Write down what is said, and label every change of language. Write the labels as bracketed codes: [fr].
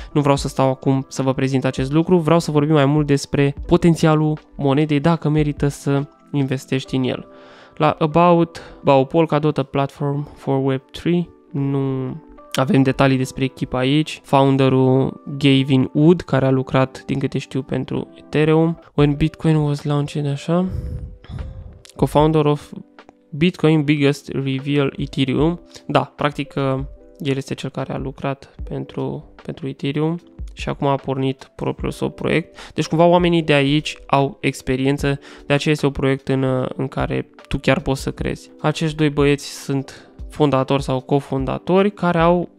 [ro] Nu vreau să stau acum să vă prezint acest lucru, vreau să vorbim mai mult despre potențialul monedei, dacă merită să investești în el. La About Polkadot, [en] a platform for Web3, [ro] nu avem detalii despre echipa aici. Founderul Gavin Wood, care a lucrat, din câte știu, pentru Ethereum. [en] When Bitcoin was launched, așa. Co-founder of Bitcoin Biggest Reveal, Ethereum. [ro] Da, practic, el este cel care a lucrat pentru Ethereum și acum a pornit propriul său proiect. Deci, cumva, oamenii de aici au experiență, de aceea este un proiect în care tu chiar poți să crezi. Acești doi băieți sunt fondatori sau cofondatori care au